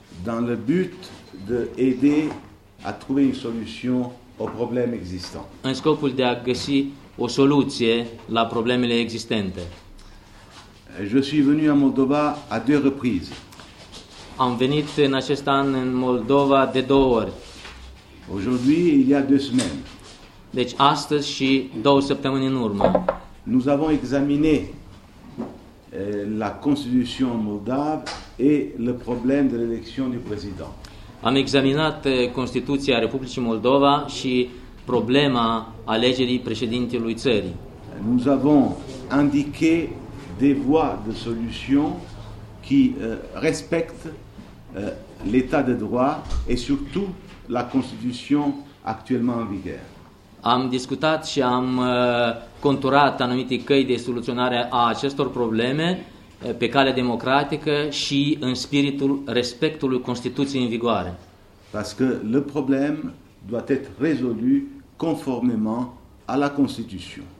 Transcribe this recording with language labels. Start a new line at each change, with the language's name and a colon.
French: Dans le but de aider à trouver une solution aux problèmes existants.
Romanian: În scopul de a găsi o soluție la problemele existente.
French: Je suis venu à Moldova à deux reprises.
Romanian: Am venit în acest an în Moldova de două ori.
French: Aujourd'hui, il y a deux semaines.
Romanian: Deci astăzi și două săptămâni în urmă.
French: Nous avons examiné la constitution moldave et le problème de l'élection du président.
Romanian: Am examinat Constituția Republicii Moldova și problema alegerii președintelui țării.
French: Nous avons indiqué des voies de solution qui respectent l'état de droit et surtout la constitution actuellement en vigueur.
Romanian: Am discutat și am conturat anumite căi de soluționare a acestor probleme pe cale democratică și în spiritul respectului Constituției în vigoare.
French: Parce que le problème doit être résolu conformément à la Constitution.